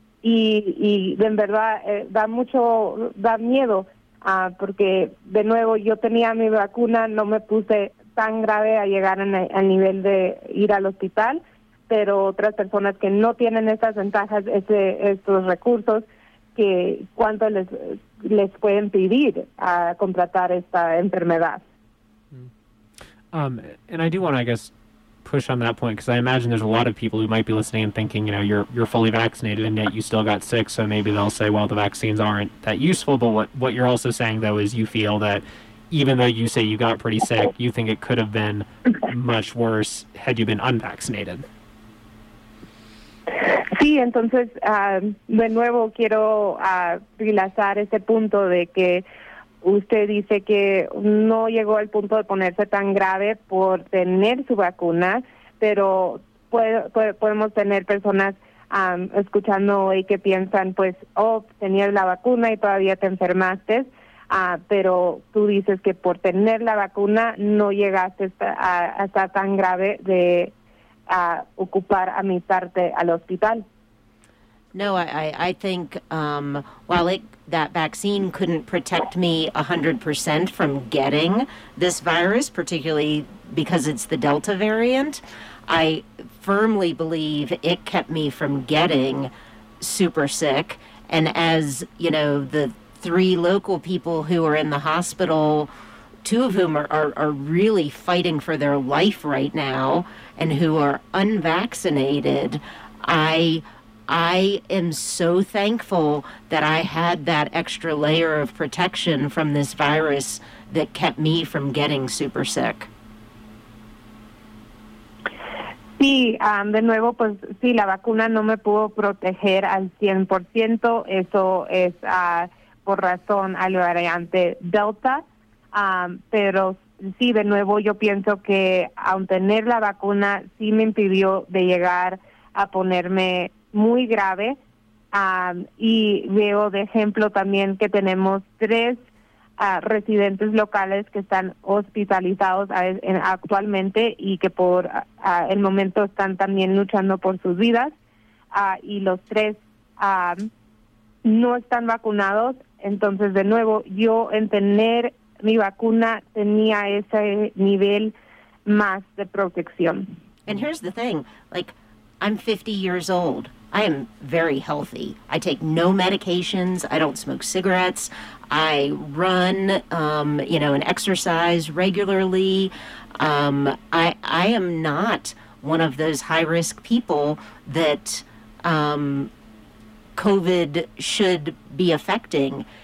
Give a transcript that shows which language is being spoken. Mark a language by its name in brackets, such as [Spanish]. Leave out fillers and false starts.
[Spanish] Y en verdad da miedo, porque de nuevo yo tenía mi vacuna, no me puse tan grave a llegar al nivel de ir al hospital, pero otras personas que no tienen estas ventajas, estos recursos, que cuánto les pueden pedir a contratar esta enfermedad. [English] And I do want to, I guess, push on that point, because I imagine there's a lot of people who might be listening and thinking, you know, you're fully vaccinated and yet you still got sick, so maybe they'll say, well, the vaccines aren't that useful. But what you're also saying, though, is you feel that even though you say you got pretty sick, you think it could have been much worse had you been unvaccinated. [Spanish] Sí, entonces, de nuevo quiero relazar ese punto de que usted dice que no llegó al punto de ponerse tan grave por tener su vacuna, pero podemos tener personas escuchando hoy que piensan, pues, oh, tenías la vacuna y todavía te enfermaste, pero tú dices que por tener la vacuna no llegaste a estar tan grave de ocupar a mi parte al hospital. [English] No, I think while that vaccine couldn't protect me 100% from getting this virus, particularly because it's the Delta variant, I firmly believe it kept me from getting super sick. And as, you know, the three local people who are in the hospital, two of whom are really fighting for their life right now and who are unvaccinated, I am so thankful that I had that extra layer of protection from this virus that kept me from getting super sick. [Spanish] Sí, de nuevo, pues sí, la vacuna no me pudo proteger al 100%. Eso es por razón al variante Delta. Pero sí, de nuevo, yo pienso que aun tener la vacuna sí me impidió de llegar a ponerme muy grave, y veo de ejemplo también que tenemos tres residentes locales que están hospitalizados actualmente y que por el momento están también luchando por sus vidas, y los tres no están vacunados. Entonces, de nuevo, yo en tener mi vacuna tenía ese nivel más de protección. [English] And here's the thing, like, I'm 50 years old. I am very healthy. I take no medications. I don't smoke cigarettes. I run, and exercise regularly. I am not one of those high-risk people that COVID should be affecting.